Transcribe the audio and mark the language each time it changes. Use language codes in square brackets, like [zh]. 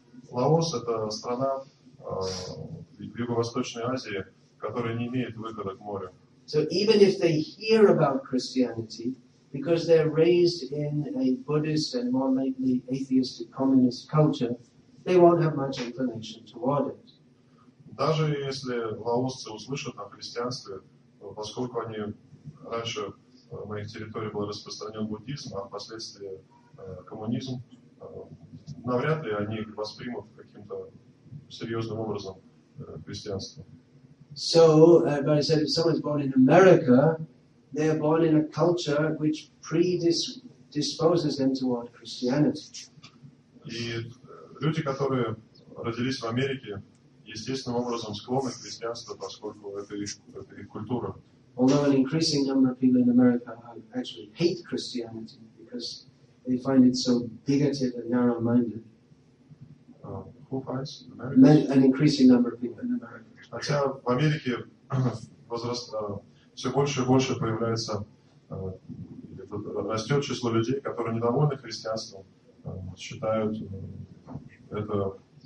[ru] Лаос — это страна в Юго-Восточной Азии, которая не имеет выхода к морю. [en] So even if they hear about Christianity, because they're raised in a Buddhist and more likely atheistic communist culture, they won't have much inclination toward it. [ru] Даже если лаосцы услышат о христианстве, поскольку они раньше на их территории был распространен буддизм, а впоследствии коммунизм, навряд ли они воспримут каким-то серьезным образом христианство. [en] So, but I said, if someone's born in America, they are born in a culture which predisposes them toward Christianity. [ru] И люди, которые родились в Америке, естественным образом склонны к христианству, поскольку это их культура. [en] Although an increasing number of people in America actually hate Christianity because they find it so bigoted and narrow-minded. an increasing number of people in America. [ru] Хотя в Америке возраст все больше и больше появляется, растет число людей, которые недовольны христианством, считают это